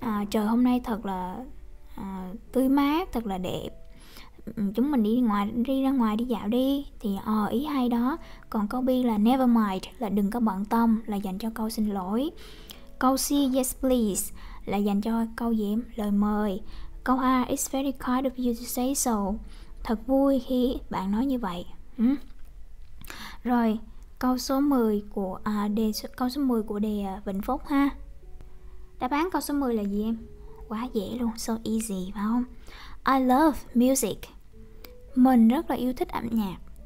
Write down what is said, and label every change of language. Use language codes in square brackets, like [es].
[vi] Trời hôm nay thật là tươi mát, thật là đẹp. Chúng mình đi ra ngoài đi dạo đi. Thì ý hay đó. Còn câu B là [en] never mind, [vi] là đừng có bận tâm, là dành cho câu xin lỗi. Câu C, [en] yes please, [vi] là dành cho câu gì em? Lời mời. Câu A, [en] it's very kind of you to say so. [vi] Thật vui khi bạn nói như vậy. Rồi, câu số 10 của đề Vĩnh Phúc ha. Đáp án câu số 10 là gì em? Quá dễ luôn, [en] so easy [vi] phải không? [en] I love music. [vi] Mình rất là yêu thích âm nhạc.